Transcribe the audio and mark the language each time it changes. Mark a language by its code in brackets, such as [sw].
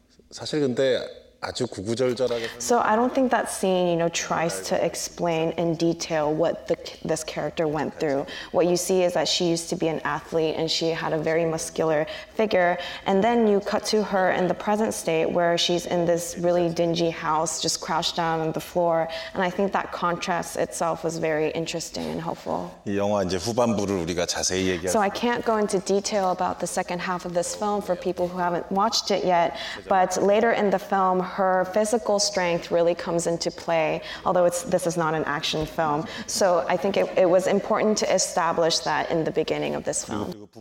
[ko] 사실 근데 아주 구구절절하게. [en] So I don't think that scene, you know, tries to explain in detail what this character went through. What you see is that she used to be an athlete and she had a very muscular figure. And then you cut to her in the present state where she's in this really dingy house, just crouched down on the floor. And I think that contrast itself was very interesting and helpful. [ko] 이 영화 이제 후반부를 우리가 자세히 얘기할. [en] So I can't go into detail about the second half of this film for people who haven't watched it yet. But later in the film, her physical strength really comes into play, although this is not an action film. So I think it was important to establish that in the beginning of this film.